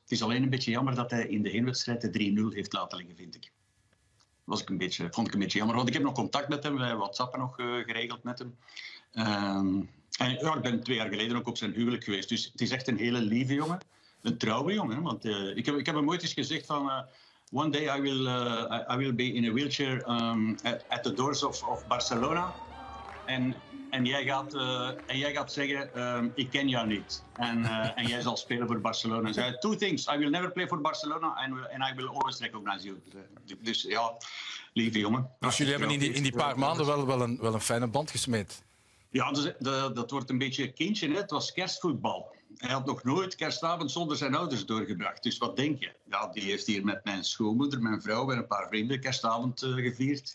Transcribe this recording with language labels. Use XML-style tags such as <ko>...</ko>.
<nl>Het is alleen een beetje jammer dat hij in de heenwedstrijd de 3-0 heeft laten liggen, vind ik. Vond ik een beetje jammer, want ik heb nog contact met hem. Wij hebben WhatsApp nog geregeld met hem. Ik ben 2 jaar geleden ook op zijn huwelijk geweest. Dus het is echt een hele lieve jongen. Een trouwe jongen. Want ik heb hem ooit eens gezegd van...</nl> <en>One day I will be in a wheelchair at the doors of Barcelona.</en> <nl>En jij gaat zeggen, ik ken jou niet. En jij zal spelen voor Barcelona.</nl> <en>Zei, 2 things. I will never play for Barcelona and I will always recognize you.</en> <nl>Dus ja, lieve jongen. Dus jullie hebben in die paar maanden wel een fijne band gesmeed. Ja, dat wordt een beetje kindje. Hè? Het was kerstvoetbal. Hij had nog nooit kerstavond zonder zijn ouders doorgebracht. Dus wat denk je? Ja, die heeft hier met mijn schoonmoeder, mijn vrouw en een paar vrienden kerstavond gevierd.</nl>